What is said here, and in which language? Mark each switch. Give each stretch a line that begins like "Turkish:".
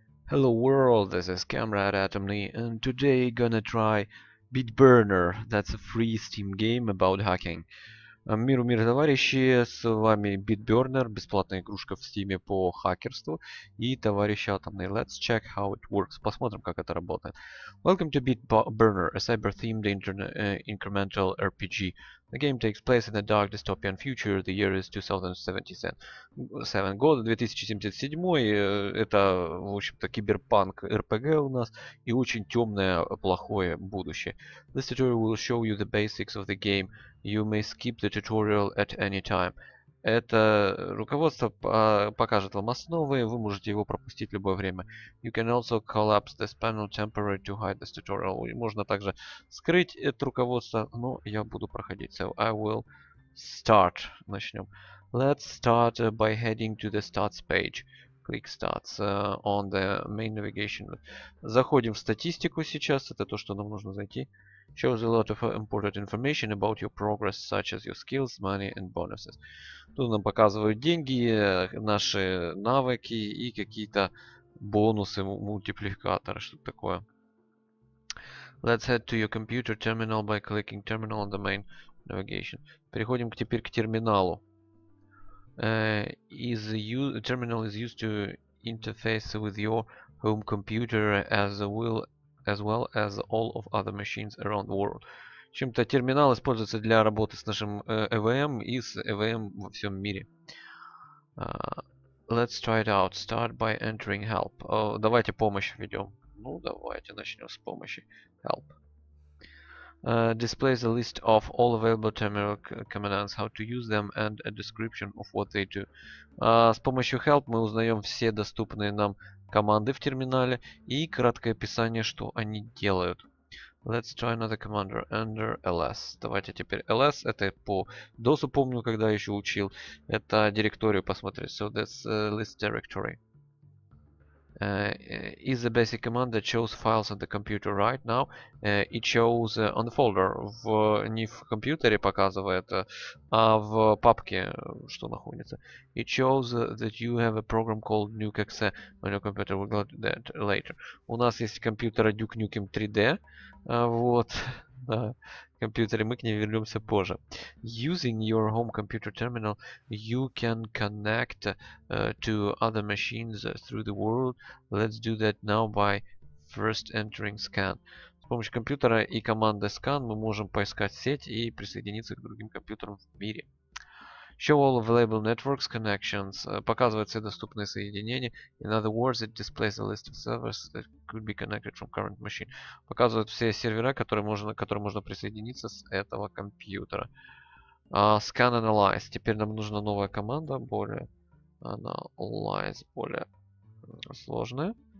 English: Hello world, this is Comrade Atomly, and today gonna try BitBurner. That's a free Steam game about hacking.
Russian: Миру мир, товарищи, с вами BitBurner, бесплатная игрушка в Steam по хакерству, и товарищ Атомный.
English: Let's check how it works.
Russian: Посмотрим, как это работает.
English: Welcome to BitBurner, a cyber-themed incremental RPG. The game takes place in a dark dystopian future. The year is 2077.
Russian: Год 2077. Это, в общем-то, киберпанк RPG у нас. И очень темное, плохое будущее.
English: This tutorial will show you the basics of the game. You may skip the tutorial at any time.
Russian: Это руководство покажет вам основы. Вы можете его пропустить в любое время.
English: You can also collapse this panel temporarily to hide this tutorial.
Russian: Можно также скрыть это руководство. Но я буду проходить.
English: So I will start.
Russian: Начнем.
English: Let's start by heading to the stats page. Click stats on the main navigation.
Russian: Заходим в статистику сейчас. Это то, что нам нужно зайти.
English: Shows a lot of important information about your progress, such as your skills, money and bonuses.
Russian: Тут нам показывают деньги, наши навыки и какие-то бонусы, мультипликаторы, что-то такое.
English: Let's head to your computer terminal by clicking terminal on the main navigation.
Russian: Переходим теперь к терминалу.
English: Terminal is used to interface with your home computer as well as all of other machines around the world.
Russian: В общем-то, терминал используется для работы с нашим EVM и с EVM во всем мире.
English: Let's try it out. Start by entering help.
Russian: Давайте помощь введем. Ну, давайте начнем с помощи.
English: Help. Displays a list of all available terminal commands, how to use them and a description of what they do.
Russian: С помощью help мы узнаем все доступные нам команды в терминале и краткое описание, что они делают.
English: Let's try another commander. Enter ls.
Russian: Давайте теперь
English: ls.
Russian: Это по DOS-у помню, когда еще учил. Это директорию посмотреть.
English: So that's list directory. Is the basic command that shows files on the computer right now. It shows on the folder.
Russian: Не в компьютере показывает, а в папке, что находится.
English: It shows that you have a program called NukeXe on your computer. We'll get that later.
Russian: У нас есть компьютер Duke Nukem 3D. Вот. На компьютере мы к ней вернемся позже.
English: Using your home computer terminal, you can connect to other machines through the world. Let's do that now by first entering scan.
Russian: С помощью компьютера и команды scan мы можем поискать сеть и присоединиться к другим компьютерам в мире.
English: Show all available networks connections.
Russian: Показывает все доступные соединения.
English: In other words, it displays a list of servers that could be connected from current machine.
Russian: Показывает все сервера, которые можно присоединиться с этого компьютера.
English: Scan analyze.
Russian: Теперь нам нужна новая команда, более analyze, более сложная.